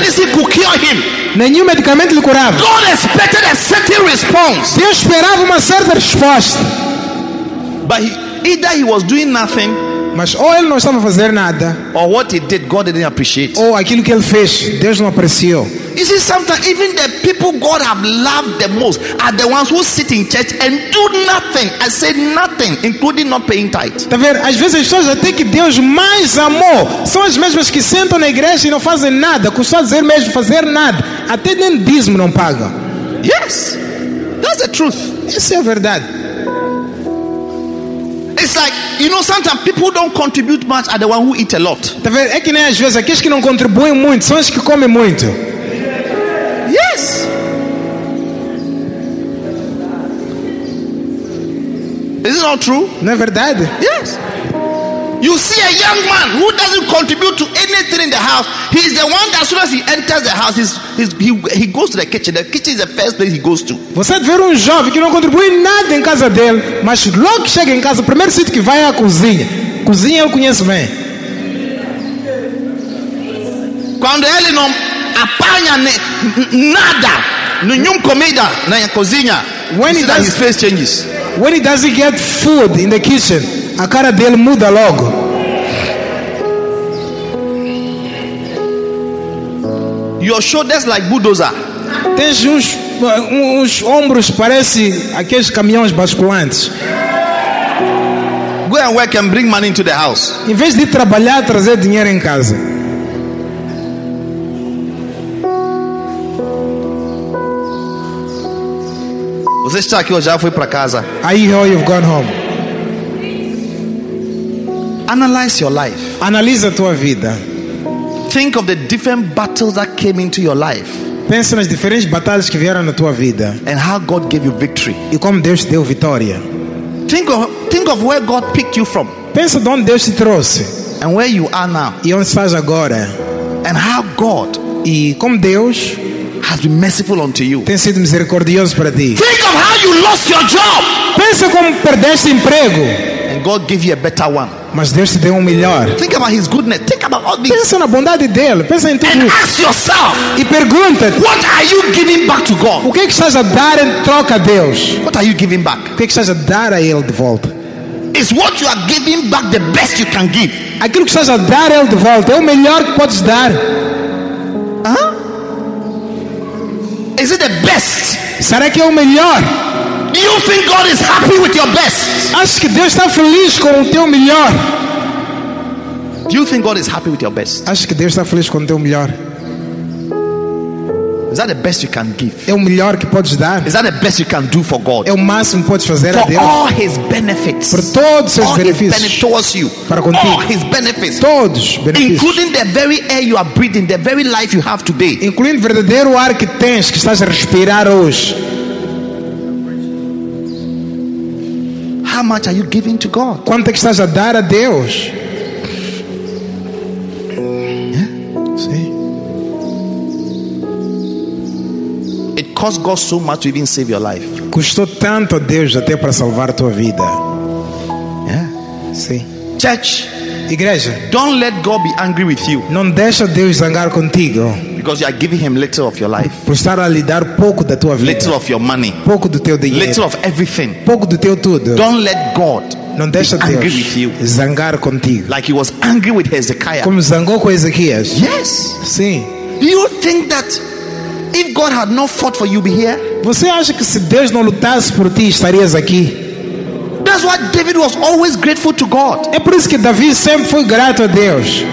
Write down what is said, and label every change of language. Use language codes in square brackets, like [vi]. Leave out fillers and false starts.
[en] No medicine could cure him. [pt] Nenhum medicamento lhe curava. [en] God expected a certain response. [pt] Deus esperava uma certa resposta. [en] But either he was doing nothing. [pt] Mas ou ele não estava a fazer nada. [en] Or what he did, God didn't appreciate. [pt] Ou aquilo que ele fez, Deus não apreciou. [en] You see, sometimes even the people God have loved the most are the ones who sit in church and do nothing. I say nothing, including not paying tithe. [pt] Tá vendo? Às vezes as pessoas até que Deus mais amou são as mesmas que sentam na igreja e não fazem nada, com só dizer mesmo fazer nada. Até nem dízimo não paga. [en] Yes, that's the truth. [pt] Isso é a verdade. [en] It's like, you know, sometimes people don't contribute much are the ones who eat a lot. [pt] Tá vendo? É que nem às vezes aqueles que não contribuem muito são os que comem muito. [en] Yes. Is it not true? [pt] Não é verdade? [en] Yes. You see a young man who doesn't contribute to anything in the house. He is the one that as soon as he enters the house, he goes to the kitchen. The kitchen is the first place he goes to. [pt] Você vê jovem que não contribui nada em casa dele, mas logo que chega em casa, o primeiro sítio que vai é a cozinha. Cozinha eu conheço bem. Quando ele não apanha nada, nenhum comida na cozinha, [en] his face changes. When he doesn't get food in the kitchen, [pt] a cara dele muda logo. [en] Your shoulders like bulldozer. [pt] Tens uns ombros parece aqueles caminhões basculantes. [en] Go and work and bring money into the house. [pt] Em vez de trabalhar, trazer dinheiro em casa. Você está aqui ou já foi para casa? [en] Aí, how you've gone home? Analyze your life. [pt] Analisa tua vida. [en] Think of the different battles that came into your life. [pt] Pensa nas diferentes batalhas que vieram na tua vida. [en] And how God gave you victory. [pt] E como Deus te deu vitória. [en] Think of where God picked you from. [pt] Pensa de onde Deus te trouxe. [en] And where you are now. [pt] E onde estás agora. [en] And how God. [pt] E como Deus [en] has been merciful unto you. [pt] Tem sido misericordioso para ti. [en] Think of how you lost your job. [pt] Pensa como perdeste emprego. [en] And God gave you a better one. [pt] Mas Deus te deu melhor. [en] Think about his goodness. Think about all these. [pt] Pensa na bondade dele. Pensa em tudo. [en] And ask yourself. [pt] E pergunta. [en] What are you giving back to God? [pt] O que é que estás a dar em troca a Deus? [en] What are you giving back? [pt] O que é que estás a dar a ele de volta? [en] is what you are giving back the best you can give. [pt] Aquilo que estás a dar é de volta, é o melhor que podes dar. [en] Is it the best? [pt] Será que é o melhor? [en] You think God is happy with your best? [pt] Acho que Deus está feliz com o teu melhor. [en] Do you think God is happy with your best? [pt] Acho que Deus está feliz com o teu melhor. [en] Is that the best you can give? [pt] É o melhor que podes dar. [en] Is that the best you can do for God? [pt] É o máximo que podes fazer [en] for [pt] a Deus. [en] For all His benefits. [pt] Por todos os seus [en] all [pt] benefícios. [en] His benefits towards you. [pt] Para contigo. [en] All His benefits. [pt] Todos benefícios. [en] Including the very air you are breathing, the very life you have today. [pt] Incluindo o verdadeiro ar que tens, que estás a respirar hoje. [en] How much are you giving to God? [pt] Quanto é que estás a dar a Deus? [en] Cost God so much to even save your life. [pt] Custou tanto a Deus até para salvar a tua vida. [en] Yeah. [pt] Sim. [en] Church, [pt] igreja. [en] Don't let God be angry with you. [pt] Não deixa Deus zangar contigo. [en] Because you are giving Him little of your life. [pt] Por estar a lhe dar pouco da tua vida. [en] Little of your money. [pt] Pouco do teu dinheiro. [en] Little of everything. [pt] Pouco do teu tudo. [en] Don't let God. [pt] Não deixa [en] be [pt] Deus [en] angry with you. [pt] Zangar contigo. [en] Like He was angry with Hezekiah. [pt] Como zangou com Ezequias. [en] Yes. [pt] Sim. [en] Do you think that if God had not fought for you, be here? [pt] Você acha que se Deus não lutasse por ti, estarias aqui? [en] That's why David was always grateful to God. [pt] É por isso que Davi sempre foi grato a Deus.